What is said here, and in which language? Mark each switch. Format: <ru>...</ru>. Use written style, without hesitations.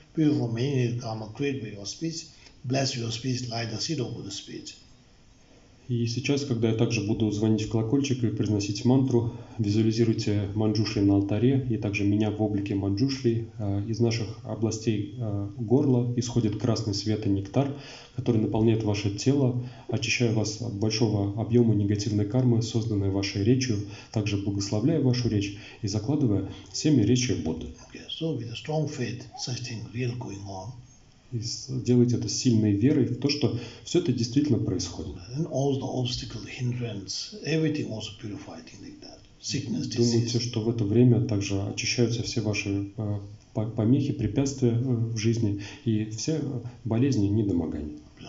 <en>Pure for many need come and create by your speech. Bless your speech, light the seed of the speech.</en> <ru>И сейчас, когда я также буду звонить в колокольчик и произносить мантру, визуализируйте манджушли на алтаре и также меня в облике манджушли. Из наших областей горла исходит красный свет и нектар, который наполняет ваше тело, очищая вас от большого объема негативной кармы, созданной вашей речью, также благословляя вашу речь и закладывая семя речи Будды.</ru> <en>Okay, so with a strong faith, something real going on.</en> <ru>И делайте это с сильной верой в то, что все это действительно происходит.</ru> <en>And all the obstacle, hindrance, everything also purified like that. Sickness, disease.</en> <ru>Думайте, что в это время также очищаются все ваши помехи, препятствия в жизни и все болезни, недомогания.</ru>